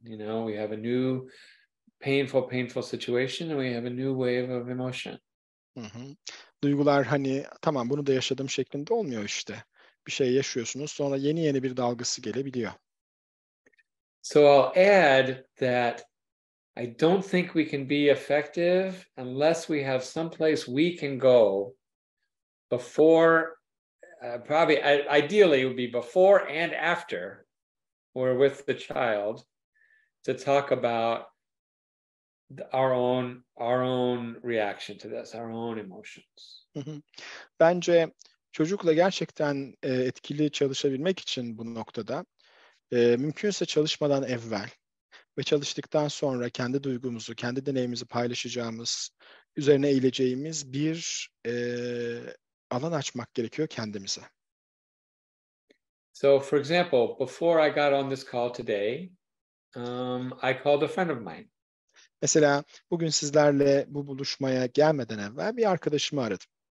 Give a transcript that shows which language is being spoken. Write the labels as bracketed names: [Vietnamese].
[English] You know, we have a new painful situation and we have a new wave of emotion. [Turkish] Duygular hani tamam bunu da yaşadım şeklinde olmuyor işte. Bir şey yaşıyorsunuz sonra yeni bir dalgası gelebiliyor. [English] So I'll add that I don't think we can be effective unless we have some place we can go before, probably ideally it would be before and after we're with the child to talk about our own reaction to this, our own emotions. [Turkish] Bence çocukla gerçekten etkili çalışabilmek için bu noktada mümkünse çalışmadan evvel ve çalıştıktan sonra kendi duygumuzu, kendi deneyimizi paylaşacağımız, üzerine eğileceğimiz bir alan açmak gerekiyor kendimize. [English] So for example, before I got on this call today, I called a friend of mine. [Turkish] Mesela bugün sizlerle bu buluşmaya gelmeden evvel bir arkadaşımı aradım.